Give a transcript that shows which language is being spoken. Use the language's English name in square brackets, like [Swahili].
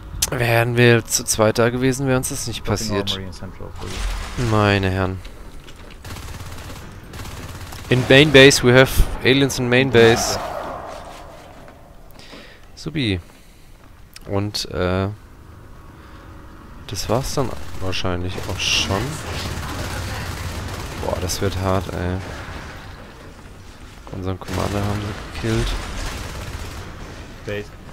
[German] Wären wir zu zweit da gewesen, wäre uns das nicht passiert. Meine Herren. [English] In Main Base, we have aliens in Main Base. Subi. [German] Und, das war's dann wahrscheinlich auch schon. Boah, das wird hart, ey. Unseren Commander haben wir gekillt.